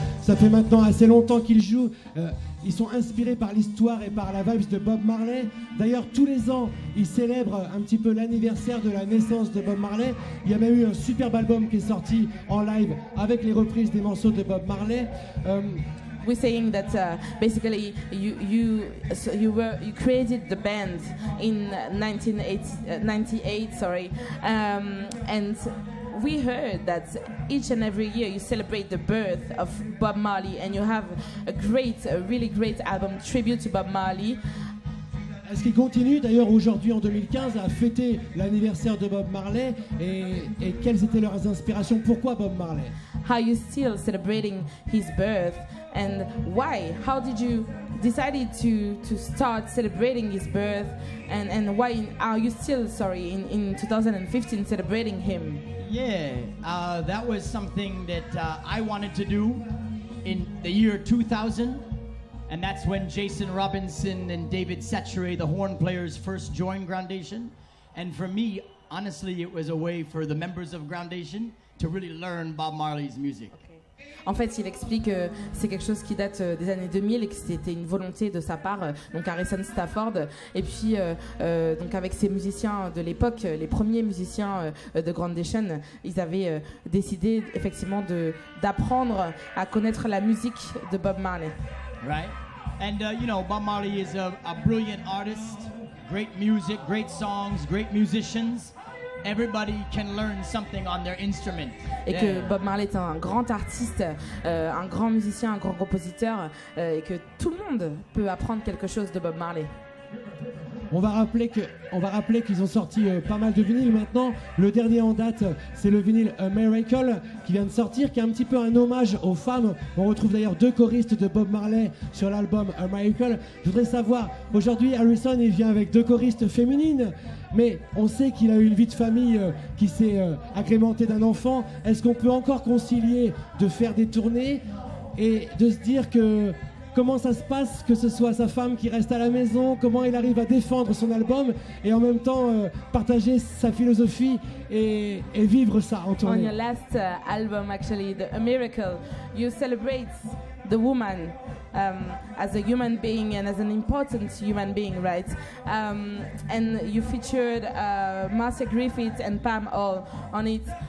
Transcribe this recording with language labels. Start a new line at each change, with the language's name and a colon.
French: Ça fait maintenant assez longtemps qu'ils jouent. Ils sont inspirés par l'histoire et par la vibe de Bob Marley. D'ailleurs, tous les ans, ils célèbrent un petit peu l'anniversaire de la naissance de Bob Marley. Il y a même eu un superbe album qui est sorti en live avec les reprises des morceaux de Bob Marley.
English: We're saying that basically you created the band in 1998, and we heard that each and every year you celebrate the birth of Bob Marley and you have a really great album tribute to Bob Marley.
French: Est-ce qu'il continue d'ailleurs aujourd'hui en 2015 à fêter l'anniversaire de Bob Marley et quelles étaient leurs inspirations, pourquoi Bob Marley?
English: How you still celebrating his birth and why? How did you decided to start celebrating his birth and why are you still in 2015 celebrating him? Yeah, that was something that I wanted to do in the year 2000. And that's when Jason Robinson and David Satchere, the horn players, first joined Groundation. And for me, honestly, it was a way for the members of Groundation to really learn Bob Marley's music.
French: En fait, il explique que c'est quelque chose qui date des années 2000 et que c'était une volonté de sa part, donc Harrison Stafford. Et puis, donc avec ses musiciens de l'époque, les premiers musiciens de Groundation, ils avaient décidé effectivement d'apprendre à connaître la musique de Bob Marley.
English: Right. And, you know, Bob Marley is a brilliant artist. Great music, great songs, great musicians. Everybody can learn something on their instrument.
French: Et que Bob Marley est un grand artiste, un grand musicien, un grand compositeur, et que tout le monde peut apprendre quelque chose de Bob Marley. On va rappeler qu'ils ont sorti pas mal de vinyles maintenant. Le dernier en date, c'est le vinyle A Miracle qui vient de sortir, qui est un petit peu un hommage aux femmes. On retrouve d'ailleurs deux choristes de Bob Marley sur l'album A Miracle. Je voudrais savoir, aujourd'hui Harrison il vient avec deux choristes féminines, mais on sait qu'il a eu une vie de famille qui s'est agrémentée d'un enfant. Est-ce qu'on peut encore concilier de faire des tournées et de se dire que... Comment ça se passe que ce soit sa femme qui reste à la maison? Comment il arrive à défendre son album et en même temps partager sa philosophie et vivre ça en tournée?
English: On your last album, actually, the A Miracle, you celebrate the woman as a human being and as an important human being, right? And you featured Marcia Griffiths and Pam Hall on it.